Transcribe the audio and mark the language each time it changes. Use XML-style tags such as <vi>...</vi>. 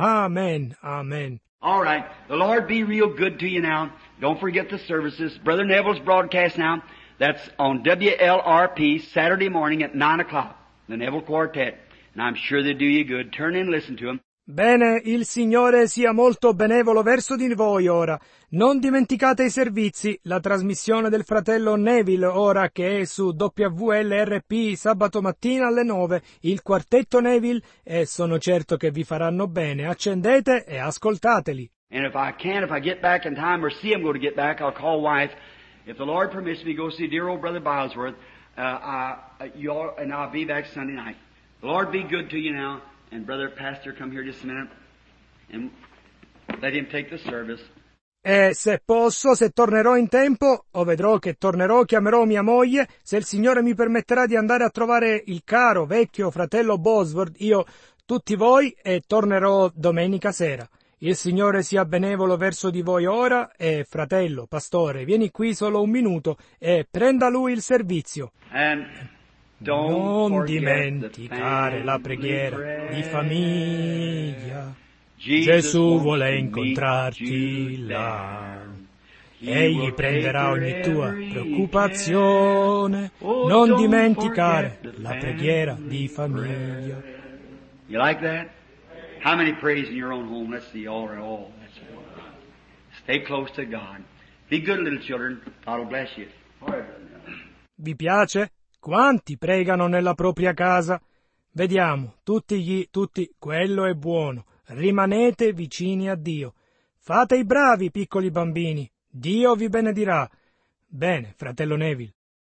<en>Amen, amen. All right, the Lord be real good to you now, don't forget the services, Brother Neville's broadcast now. That's on WLRP Saturday morning at 9 o'clock, the Neville Quartet, and I'm sure they do you good. Turn in and listen to them.</en> <it>Bene, il Signore sia molto benevolo verso di voi ora. Non dimenticate i servizi, la trasmissione del fratello Neville ora che è su WLRP sabato mattina alle 9, il quartetto Neville, e sono certo che vi faranno bene. Accendete e ascoltateli.</it> <en>And if I can, if I get back in time or see I'm going to get back, I'll call wife. If the Lord permits me to go see dear old brother Bilesworth, and I'll be back Sunday night. The Lord be good to you now, and brother pastor, come here just a minute, and let him take the service.</en> <it>E se posso, se tornerò in tempo, o vedrò che tornerò, chiamerò mia moglie, se il Signore mi permetterà di andare a trovare il caro vecchio fratello Bosworth, io tutti voi, e tornerò domenica sera. Il Signore sia benevolo verso di voi ora e fratello, pastore, vieni qui solo un minuto e prenda lui il servizio. Non dimenticare la preghiera di famiglia. Gesù vuole incontrarti là. Egli prenderà ogni tua preoccupazione. Non dimenticare la preghiera di famiglia.</it> <en>You like that? How many praise in your own home? Let's see, all in all. That's one. Stay close to God. Be good, little children. God will bless you.</en> <it>Vi piace? Quanti pregano nella propria casa? Vediamo, tutti, quello è buono. Rimanete vicini a Dio. Fate i bravi, piccoli bambini. Dio vi benedirà. Bene, fratello Neville.</it>